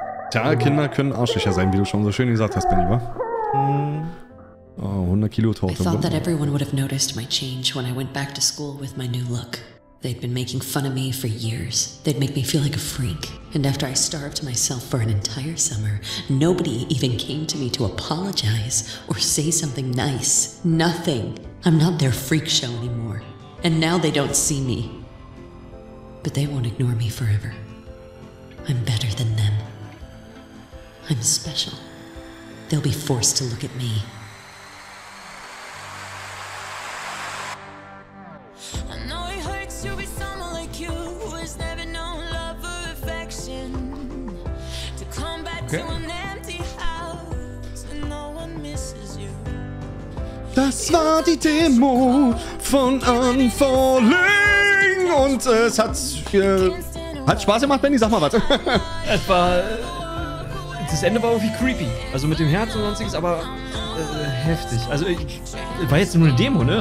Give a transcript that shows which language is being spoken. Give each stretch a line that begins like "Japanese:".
German: Tja, Kinder können Arschlöcher sein, wie du schon so schön gesagt hast, Benny, wa? Oh, 100 Kilo Torte.
English: I thought that everyone would have noticed my change when I went back to school with my new look. They'd been making fun of me for years. They'd make me feel like a freak. And after I starved myself for an entire summer, nobody even came to me to apologize or say something nice. Nothing. I'm not their freak show anymore. And now they don't see me. But they won't ignore me forever. I'm better than them. I'm special. They'll be forced to look at me. I know it hurts to be someone like you who has never known love or affection. To come back okay. To an empty house and no one misses you.
German: Das war die Demo von Unfalling und es hat Spaß gemacht, Benny, sag mal was. Es war... Das Ende war irgendwie creepy. Also mit dem Herz und sonstiges, aber heftig. Also ich war jetzt nur eine Demo, ne?